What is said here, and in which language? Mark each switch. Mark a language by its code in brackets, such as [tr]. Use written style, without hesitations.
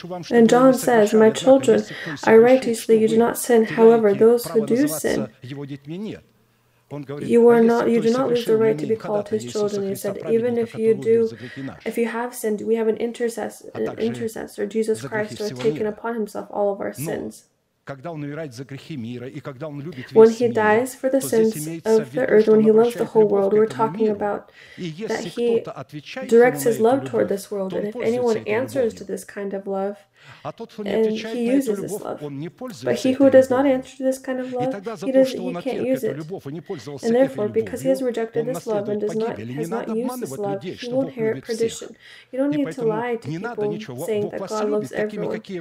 [en] And John says, my children, I write to you that you do not sin. However, those who do sin, you do not lose the right to be called his children. He said, even if you have sinned, we have an intercessor, Jesus Christ, who has taken upon himself all of our sins. [ru] когда он умирает за грехи мира и когда он любит весь мир, то здесь имеется в виду, что он обращает любовь к этому миру. И если кто-то отвечает ему на эту любовь, то он пользуется этой любовью. А тот, кто не отвечает на эту любовь, он не пользуется этой любовью. [en] But he who does not answer to this kind of love, he doesn't, he can't use it. And therefore, because he has rejected this love and has not used this love, he will inherit perdition. You don't need to lie to people saying that God loves everyone.